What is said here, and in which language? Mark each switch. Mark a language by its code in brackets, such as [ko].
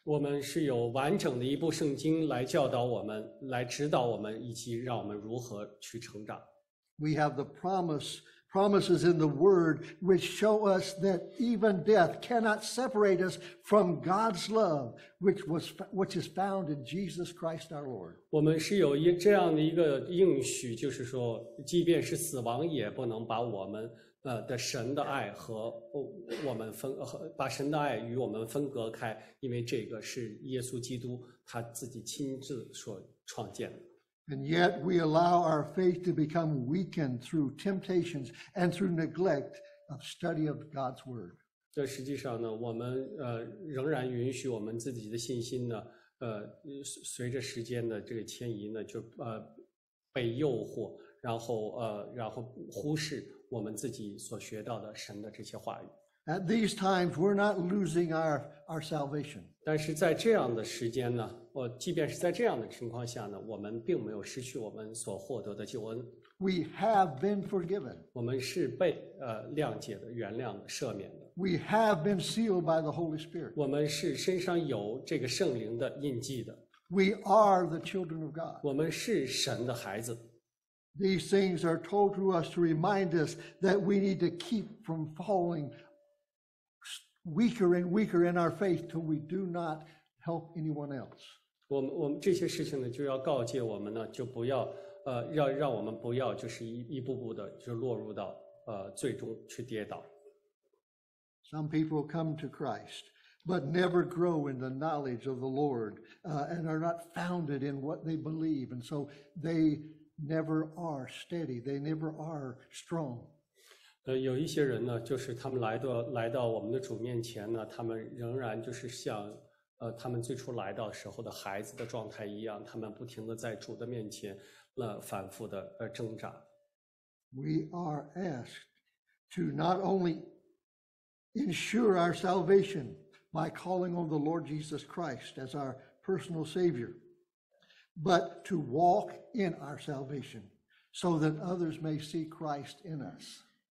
[zh] 我们是有完整的一部圣经来教导我们，来指导我们，以及让我们如何去成长。 [en] We have the promises in the Word which show us that even death cannot separate us from God's love which is found in Jesus Christ our Lord. [zh] 我们是有一这样的一个应许，就是说即便是死亡也不能把我们的神的爱和我们把神的爱与我们分隔开，因为这个是耶稣基督他自己亲自所创建的。 [en] And yet we allow our faith to become weakened through temptations and through neglect of study of God's word. [zh] 这实际上呢，我们仍然允许我们自己的信心呢，随着时间的这个迁移呢，就被诱惑，然后忽视我们自己所学到的神的这些话语。 [en] At these times, we're not losing our salvation. [zh] 但是在这样的时间呢，即便是在这样的情况下呢，我们并没有失去我们所获得的救恩。 [en] We have been forgiven. [zh] 我们是被谅解的、原谅的、赦免的。 [en] We have been sealed by the Holy Spirit. [zh] 我们是身上有这个圣灵的印记的。 [en] We are the children of God. [zh] 我们是神的孩子。 [en] These things are told to us to remind us that we need to keep from fallingweaker and weaker in our faith till we do not help anyone else. [zh] 我们这些事情呢就要告诫我们呢就不要让我们不要就是一步步的就落入到最终去跌倒。 [en] Some people come to Christ, but never grow in the knowledge of the Lord, and are not founded in what they believe, and so they never are steady, they never are strong. [zh] 有一些人呢，就是他们来到我们的主面前呢，他们仍然就是像他们最初来到时候的孩子的状态一样，他们不停的在主的面前反复的挣扎。 [en] We are asked to not only ensure our salvation by calling on the Lord Jesus Christ as our personal Savior, but to walk in our salvation so that others may see Christ in us.